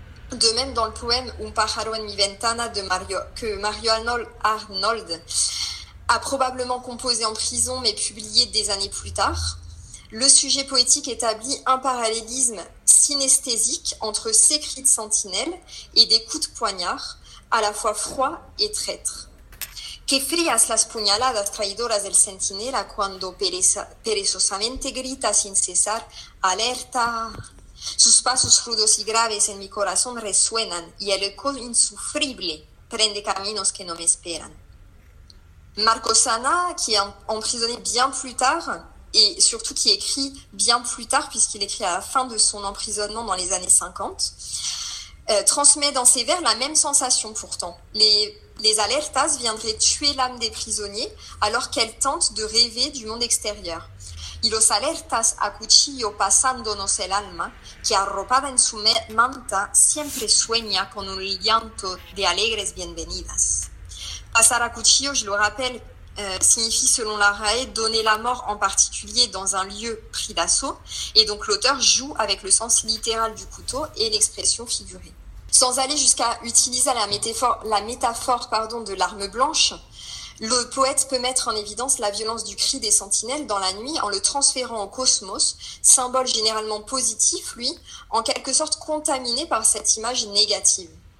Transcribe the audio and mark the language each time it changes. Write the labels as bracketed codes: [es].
[fr] De même, dans le poème Un pájaro en mi ventana de Mario, que Mario Arnold a probablement composé en prison mais publié des années plus tard, le sujet poétique établit un parallélisme synesthésique entre ses cris de sentinelle et des coups de poignard, à la fois froids et traîtres. [es] Qué frías las puñaladas traidoras del centinela cuando perezosamente grita sin cesar, alerta. Sus pasos rudos y graves en mi corazón resuenan y el eco insufrible prende caminos que no me esperan. [fr] Marco Sana, qui est emprisonné bien plus tard, et surtout qui écrit bien plus tard, puisqu'il écrit à la fin de son emprisonnement dans les années 50, transmet dans ses vers la même sensation pourtant. Les alertas viendraient tuer l'âme des prisonniers alors qu'elle tente de rêver du monde extérieur. [es] Y los alertas a cuchillo pasándonos el alma, que arropada en su manta siempre sueña con un llanto de alegres bienvenidas. [fr] Pasar a cuchillo, je le rappelle, signifie selon la RAE donner la mort en particulier dans un lieu pris d'assaut, et donc l'auteur joue avec le sens littéral du couteau et l'expression figurée. Sans aller jusqu'à utiliser la métaphore, de l'arme blanche, le poète peut mettre en évidence la violence du cri des sentinelles dans la nuit en le transférant au cosmos, symbole généralement positif, lui, en quelque sorte contaminé par cette image négative.